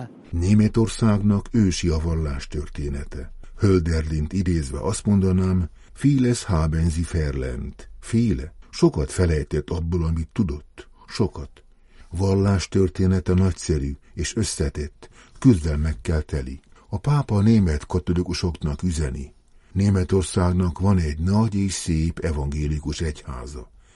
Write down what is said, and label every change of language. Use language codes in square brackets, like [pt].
[hu] Németországnak ősi a vallás története. Hölderlint idézve azt mondanám, [de] Vieles haben sie verlernt. Viele. [hu] Sokat felejtett abból, amit tudott. Sokat. Vallás története nagyszerű és összetett. Küzdelmekkel teli. A pápa a német katolikusoknak üzeni. Németországnak van egy nagy és szép evangélikus egyháza.